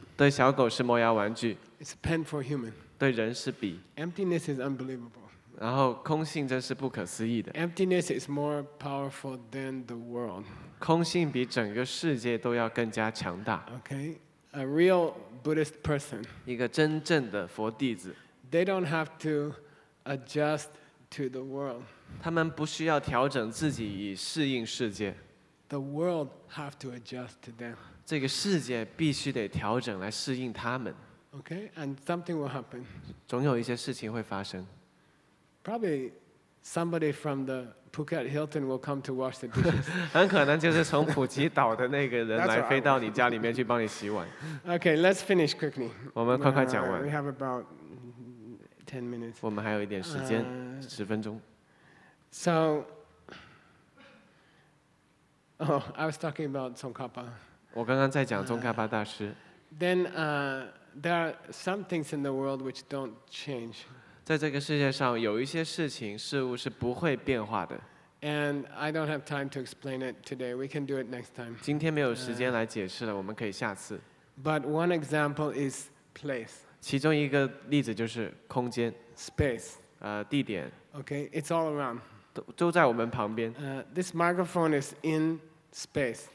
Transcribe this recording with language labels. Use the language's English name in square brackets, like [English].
[Chinese] 对小狗是磨牙玩具 [English] ，It's a pen for human. [Chinese] 对人是比 [English] Emptiness is unbelievable. [Chinese] 然后空性真是不可思议的 [English] Emptiness is more powerful than the world. [Chinese] 空性比整个世界都要更加强大 [English] Okay, a real Buddhist person. [Chinese] 一个真正的佛弟子 [English] They don't have to adjust to the world. [Chinese] 他们不需要调整自己以适应世界 [English] The world has to adjust to them. [Chinese] 这个世界必须得调整来适应他们 [English] Okay, and something will happen. [Chinese] 总有一些事情会发生。 [English] Probably somebody from the Phuket Hilton will come to wash the dishes. [Chinese] 很可能就是从普吉岛的那个人来飞到你家里面去帮你洗碗。 [English] Okay, let's finish quickly. [Chinese] 我们快快讲完。 [English] We have about 10 minutes. [Chinese] 我们还有一点时间，十分钟。 [English] So, I was talking about Tsongkhapa. [Chinese] 我刚刚在讲宗喀巴大师。 [English] Then, There are some things in the world which don't change. [Chinese] 在这个世界上，有一些事情事物是不会变化的。 [English] And I don't have time to explain it today. We can do it next time. [Chinese] 今天没有时间来解释了，我们可以下次。 [English] But one example is place. [Chinese] 其中一个例子就是空间。 [English] Space. [Chinese] 地点。 [English] Okay, it's all around. [Chinese] 都在我们旁边。 [English] This microphone is in space.